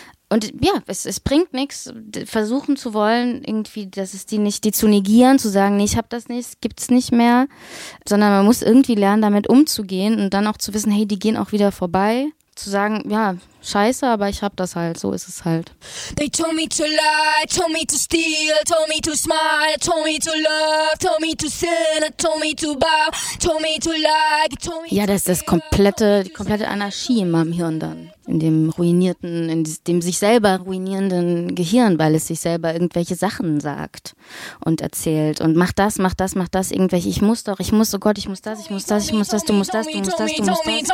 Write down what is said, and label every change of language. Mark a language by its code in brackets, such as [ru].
[de] Und ja, es bringt nichts, versuchen zu wollen, irgendwie, dass es die nicht, die zu negieren, zu sagen, nee, ich hab das nicht, gibt's nicht mehr, sondern man muss irgendwie lernen, damit umzugehen und dann auch zu wissen, hey, die gehen auch wieder vorbei, zu sagen, ja, scheiße, aber ich hab das halt, so ist es halt. [en] They told me to lie, told me to steal, told me to smile, told me to love, told me to sin, told me to bow, told me to like, told me to... [de] Ja, das ist das die komplette Anarchie in meinem Hirn dann. In dem ruinierten, in dem sich selber ruinierenden Gehirn, weil es sich selber irgendwelche Sachen sagt und erzählt und mach das, mach das, mach das, irgendwelche, ich muss doch, ich muss, oh Gott, ich muss das, ich muss das, ich muss das, du musst das, du musst das, du musst das.